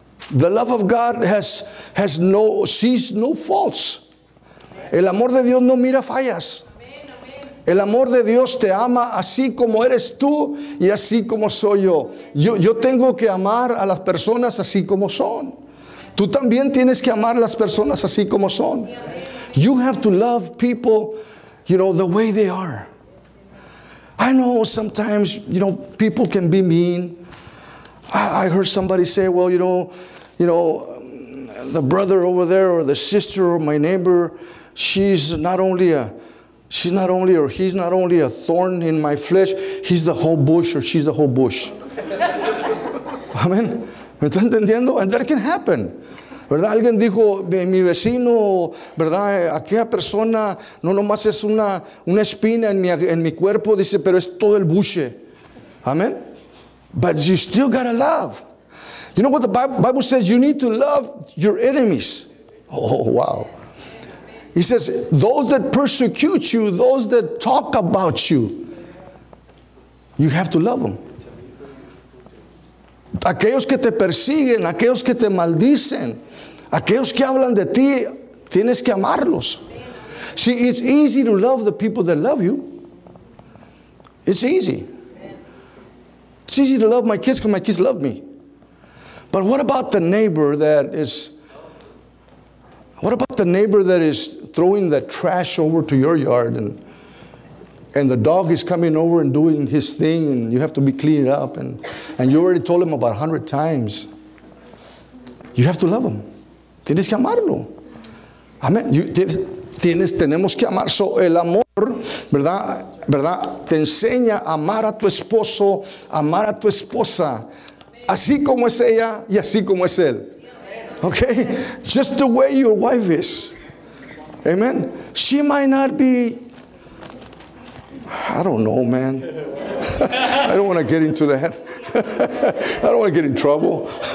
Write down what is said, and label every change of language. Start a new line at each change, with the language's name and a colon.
English: The love of God sees no faults.
Spanish: El amor de Dios no mira fallas. El amor de Dios te ama así como eres tú y así como soy yo. Yo tengo que amar a las personas así como son. Tú también tienes que amar a las personas así como son.
English: You have to love people, you know, the way they are. I know sometimes, you know, people can be mean. I heard somebody say, well, you know, the brother over there or the sister or my neighbor, he's not only a thorn in my flesh, he's the whole bush or she's the whole bush.
Spanish: Amen. ¿Me está entendiendo?
English: And that can happen.
Spanish: ¿Verdad? Alguien dijo, mi vecino, ¿verdad? Aquella persona no nomás es una espina en mi cuerpo, dice, pero es todo el buche.
English: Amen. But you still gotta love. You know what the Bible says? You need to love your enemies. Oh, wow. He says, those that persecute you, those that talk about you, you have to love them.
Spanish: Aquellos que te persiguen, aquellos que te maldicen, aquellos que hablan de ti, tienes que amarlos.
English: See, it's easy to love the people that love you. It's easy. It's easy to love my kids because my kids love me. But what about the neighbor that is throwing the trash over to your yard and the dog is coming over and doing his thing and you have to be cleaned up and you already told him about 100 times. You have to love him.
Spanish: Tienes que amarlo.
English: Amen.
Spanish: Tenemos que amar. So el amor, ¿verdad? Te enseña a amar a tu esposo, amar a tu esposa, así como es ella y así como es él.
English: Okay? Just the way your wife is. Amen. She might not be, I don't know, man. I don't want to get into that. I don't want to get in trouble.